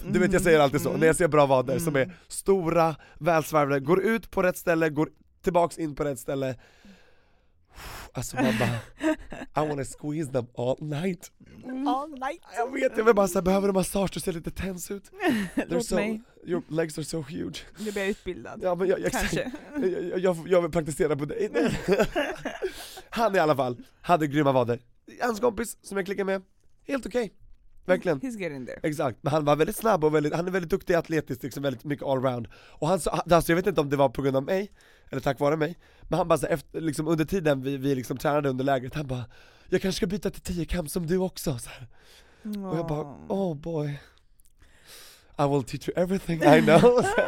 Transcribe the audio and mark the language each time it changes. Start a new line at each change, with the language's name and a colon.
Swedish: Mm. Du vet, jag säger alltid så. Mm. När jag ser bra vader som är stora, välsvarvade, går ut på rätt ställe, går tillbaks in på rätt ställe. Alltså man bara,
English: I want to squeeze them all night. All night.
Swedish: Jag vet, jag vill bara säga, behöver du massage? Du ser lite tens ut. Låt so, mig.
English: Your legs are so huge.
Swedish: Du blir utbildad. Ja, men jag, kanske. Jag vill praktisera på dig. Han i alla fall hade grymma vader. Hans kompis som jag klickar med, helt okej. Okay. Verkligen.
English: He's getting there.
Swedish: Exakt. Men han var väldigt snabb och väldigt, han är väldigt duktig atletiskt, liksom väldigt mycket all round. Och han sa, alltså jag vet inte om det var på grund av mig eller tack vare mig. Men han bara, så efter, liksom, under tiden vi liksom tränade under lägret, han bara, jag kanske ska byta till 10-kamp som du också. Så här. Och jag bara,
English: oh boy. I will teach you everything I know.